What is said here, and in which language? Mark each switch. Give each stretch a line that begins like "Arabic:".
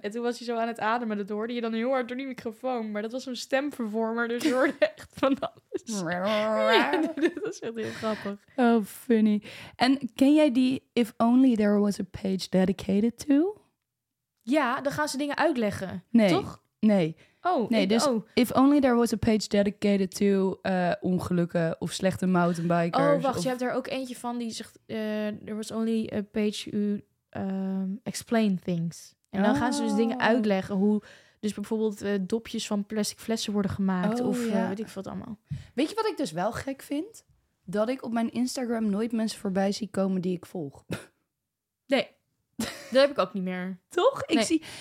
Dutch: En toen was hij zo aan het ademen. Dat hoorde je dan heel hard door die microfoon. Maar dat was een stemvervormer. Dus je hoorde echt van alles. Ja, dat is echt heel grappig.
English: Oh, funny.
Dutch: En ken jij die If Only There Was A Page Dedicated To? Ja, dan gaan ze dingen uitleggen. Nee. Toch? Nee. Oh, nee, ik, dus oh.
English: If only there was a page dedicated to
Dutch: ongelukken of slechte mountainbikers. Oh, wacht, of... je hebt er ook eentje van die zegt...
English: There was only a page who explain things.
Dutch: En dan gaan ze dus dingen uitleggen hoe... Dus bijvoorbeeld dopjes van plastic flessen worden gemaakt weet ik wat allemaal. Weet je wat ik dus wel gek vind? Dat ik op mijn Instagram nooit mensen voorbij zie komen die ik volg. Nee. Dat heb ik ook niet meer. Toch? Ik zie...